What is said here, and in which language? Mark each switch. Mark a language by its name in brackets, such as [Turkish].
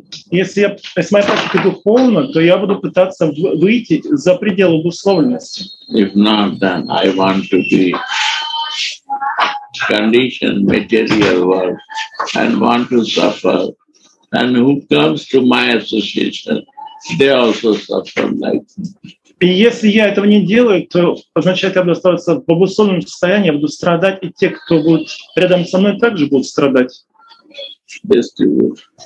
[Russian] Если моя практика духовна, то я буду пытаться выйти за пределы обусловленности. [English] If not, then I want to be condition material world and want to suffer, and who comes to my association, they also suffer like me. [Russian] И если я этого не делаю, то означает, я буду оставаться в обусловленном состоянии, я буду страдать, и те, кто будет рядом со мной, также будут страдать. [English] Distribute.